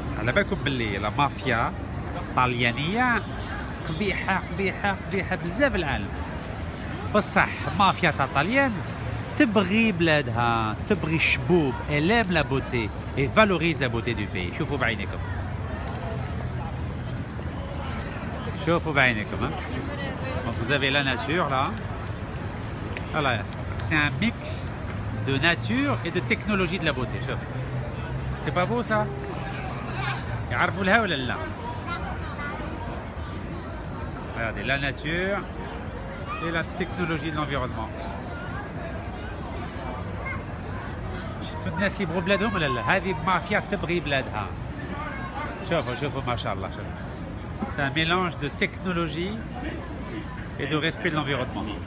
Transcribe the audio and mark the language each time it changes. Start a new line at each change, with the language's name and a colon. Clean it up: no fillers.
Arabic: على بالكم باللي لا مافيا الطليانية قبيحة قبيحة قبيحة بزاف العالم. بصح مافيا تاع طليان تبغي بلادها، تبغي الشبوب، إلام لا بوتي، إي فالوريز لا بوتي دو بيي. شوفوا بعينيكم. شوفوا بعينيكم
French: vous avez la nature là. Voilà, c'est un mix de nature et de technologie de la beauté.
Arabic: شوف.
French: C'est pas beau ça?
Arabic: يعرفوا لها ولا لا؟
French: Regardez la nature et la technologie de l'environnement.
Arabic: شوف الناس يبغوا بلادهم ولا لا؟ هذه مافيا تبغي بلادها. شوفوا شوفوا ما شاء الله شوفوا.
French: C'est un mélange de technologie et de respect de l'environnement.